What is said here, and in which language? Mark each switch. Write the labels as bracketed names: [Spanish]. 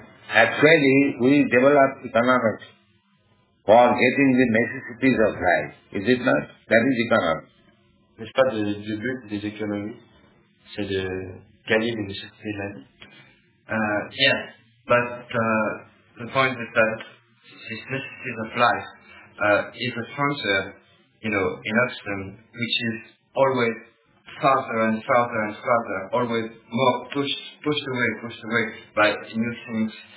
[English] Actually, we develop economics for getting the necessities of life. Is it not? That is economics. [French] N'est-ce pas le but des économies? C'est de gagner les nécessités de la vie. [English] The point is that this necessities of life is a frontier, you know, in Austin, which is always farther and farther and farther, always more pushed away by new things.